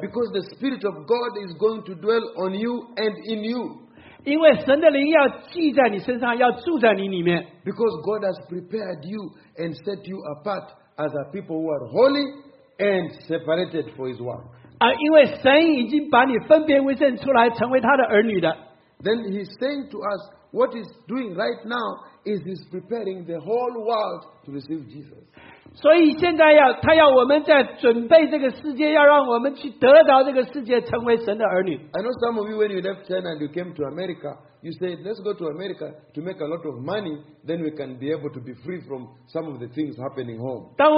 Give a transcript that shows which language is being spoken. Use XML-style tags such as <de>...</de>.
<en>Because the spirit of God is going to dwell on you and in you.</en> <zh>因为神的灵要记在你身上，要住在你里面。</zh> <en>Because God has prepared you and set you apart as a people who are holy and separated for His work.</en> <zh>因为神已经把你分别为圣出来，成为他的儿女的。</zh> <en>Then He's saying to us, what He's doing right now is He's preparing the whole world to receive Jesus.</en> <zh>所以现在要，他要我们在准备这个世界，要让我们去得到这个世界，成为神的儿女。</zh> <en>I know some of you, when you left China and you came to America, you said, let's go to America to make a lot of money, then we can be able to be free from some of the things happening home.</en>